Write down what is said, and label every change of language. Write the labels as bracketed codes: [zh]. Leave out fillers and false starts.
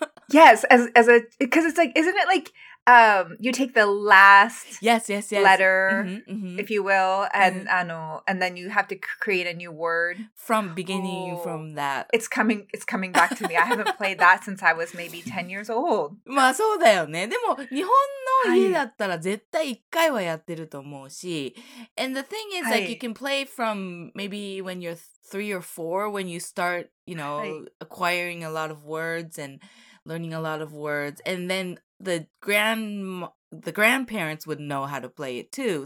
[en] yes, as a, because it's like, isn't it like,you take the last yes, yes, yes. letter, if you will, and,、and then you have to create a new word. From beginning、oh, from that. It's coming back to me. I haven't played that since I was maybe 10 years old. [ja] まあそうだよね。でも日本の家だったら絶対1回はやってると思うし。 [en] And the thing is,、はい、like you can play from maybe when you're 3 or 4, when you start, you know,、はい、acquiring a lot of words and learning a lot of words. And then... The grandparents would know how to play it too.